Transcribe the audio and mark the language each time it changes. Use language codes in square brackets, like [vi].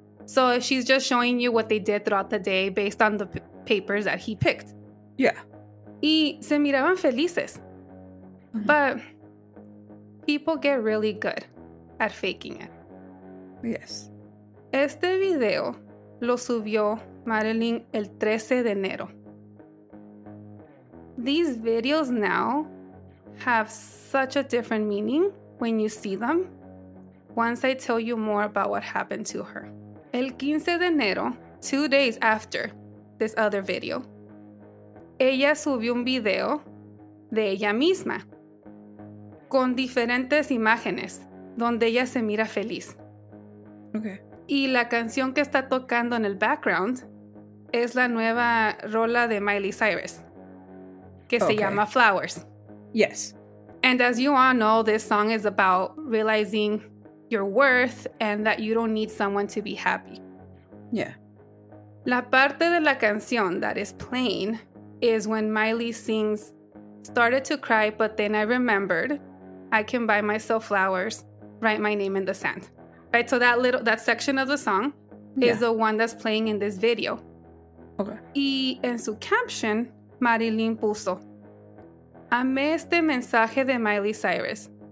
[en] So she's just showing you what they did throughout the day based on the papers that he picked. Yeah. [es] Y se miraban felices. Mm-hmm. [en] But people get really good at faking it. Yes. [es] Este video lo subió Marilyn el 13 de enero. [en] These videos now have such a different meaning when you see them. Once I tell you more about what happened to her. [es] El 15 de enero, [en] 2 days after this other video, [es] ella subió un video de ella misma con diferentes imágenes donde ella se mira feliz. [en] Okay. [es] Y la canción que está tocando en el background es la nueva rola de Miley Cyrus, que se llama Flowers. [en] Yes. And as you all know, this song is about realizing your worth and that you don't need someone to be happy. Yeah. [es] La parte de la canción [en] that is playing is when Miley sings, "Started to cry, but then I remembered I can buy myself flowers, write my name in the sand." Right? So that little, that section of the song is the one that's playing in this video. Okay. [es] Y en su caption, Marilyn puso, "Amé este mensaje de Miley Cyrus."